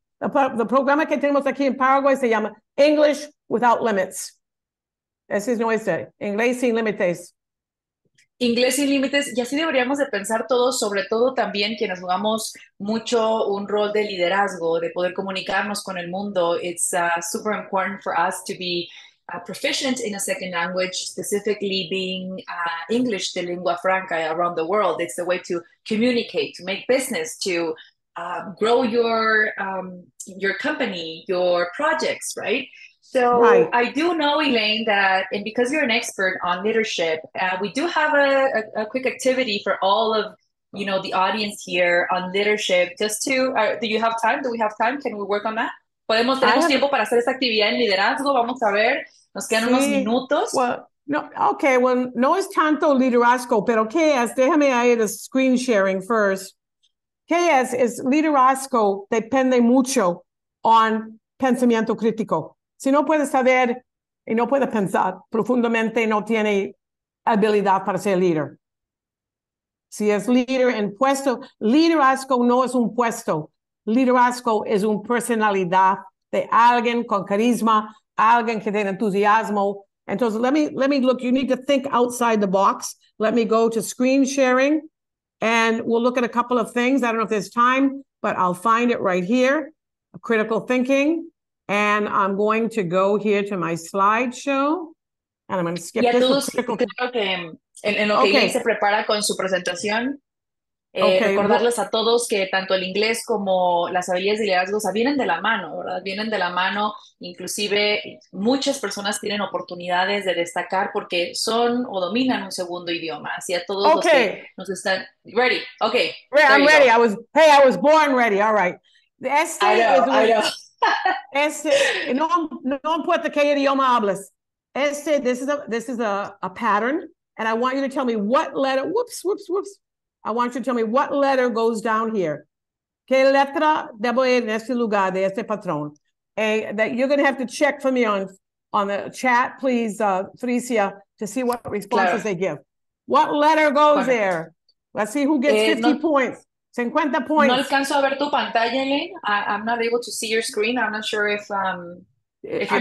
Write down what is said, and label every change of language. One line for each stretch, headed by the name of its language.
Spanish: The programa que tenemos aquí en Paraguay se llama English Without Limits. Ese es nuestro. Inglés sin límites. Inglés sin límites. Y así deberíamos de pensar todos, sobre todo también quienes jugamos mucho un rol de liderazgo, de poder comunicarnos con el mundo.
English: It's super important for us to be proficient in a second language, specifically being English, the lingua franca around the world. It's the way to communicate, to make business, to grow your company, your projects, right? So right. I do know, Elaine, that, and because you're an expert on leadership, we do have a quick activity for all of, you know, the audience here on leadership. Just to, do you have time? Do we have time? Can we work on that?
Spanish: Podemos tener tiempo para hacer esta actividad en liderazgo. Vamos a ver. Nos quedan unos minutos. Well, no es tanto liderazgo, pero ¿qué es? Déjame ahí el screen sharing first. ¿Qué es? Liderazgo depende mucho on pensamiento crítico. Si no puedes saber y no puedes pensar profundamente, no tiene habilidad para ser líder. Si es líder en puesto, liderazgo no es un puesto. Liderazgo es una personalidad de alguien con carisma, alguien que tiene entusiasmo.
English: Entonces, let me look. You need to think outside the box. Let me go to screen sharing and we'll look at a couple of things. I don't know if there's time, but I'll find it right here. Critical thinking. And I'm going to go here to my slideshow, and I'm going to skip
Spanish: y a
English: this.
Spanish: Todos, se prepara con su presentación, recordarles a todos que tanto el inglés como las habilidades de liderazgo, o sea, vienen de la mano, ¿verdad? Vienen de la mano, inclusive muchas personas tienen oportunidades de destacar porque son o dominan un segundo idioma. Así a todos los que nos están...
English: Ready, okay. I'm ready. I was born ready, all right.
Spanish: No importa qué idioma hables.
English: This is a pattern, and I want you to tell me what letter. Whoops. I want you to tell me what letter goes down here.
Spanish: ¿Qué letra debo ir en este lugar de este patrón?
English: That you're gonna have to check for me on the chat, please, Frisia, to see what responses They give. What letter goes bueno. There? Let's see who gets 50 points. 50 points.
Spanish: No alcanzo a ver tu pantalla, Elaine.
English: I'm not able to see your screen. I'm not sure if you're